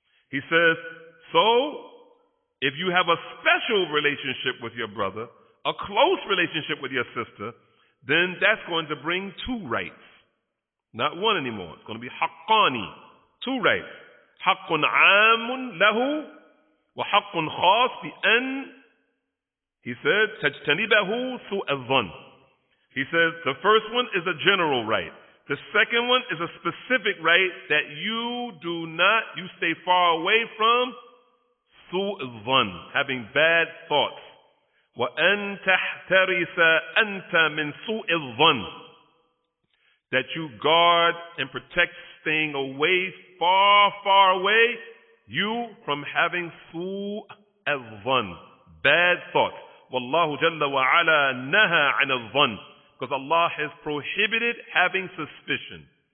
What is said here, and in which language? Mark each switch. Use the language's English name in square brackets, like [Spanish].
[English] He says, so if you have a special relationship with your brother, a close relationship with your sister, then that's going to bring two rights. Not one anymore. It's going to be [Arabic] حقاني. [English] Two rights. [Arabic] حق عام له وحق خاص بأن, [English] he said, [Arabic] تجتنبه سوء الظن. [English] He says, the first one is a general right. The second one is a specific right that you stay far away from [Arabic] سوء الظن, [English] having bad thoughts. [Arabic] وأن تحترس أنت من سوء الظن. [English] That you guard and protect, staying away, far, far away, you from having su'al dhan, bad thoughts. [Arabic] Wallahu jalla wa ala naha an al dhan, [English] because Allah has prohibited having suspicion.